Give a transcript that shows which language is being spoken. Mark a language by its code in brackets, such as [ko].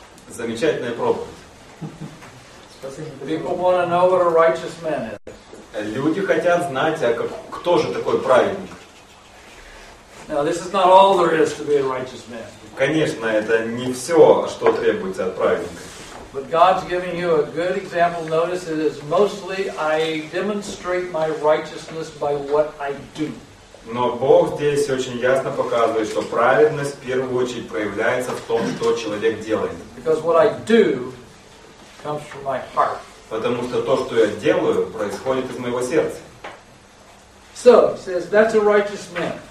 [ru] Замечательная проповедь. [en] People want to know what a righteous man is. [ru] Люди хотят знать, а как, кто же такой праведник. [en] Now, this is not all there is to be a righteous man. [ru] Конечно, это не все, что требуется от праведника. [en] But God's giving you a good example. Notice it is mostly I demonstrate my righteousness by what I do. [ru] Но Бог здесь очень ясно показывает, что праведность в первую очередь проявляется в том, что человек делает. [en] Because what I do comes from my heart. [ru] Потому что то, что я делаю, происходит из моего сердца. [en] So, says, that's a righteous man.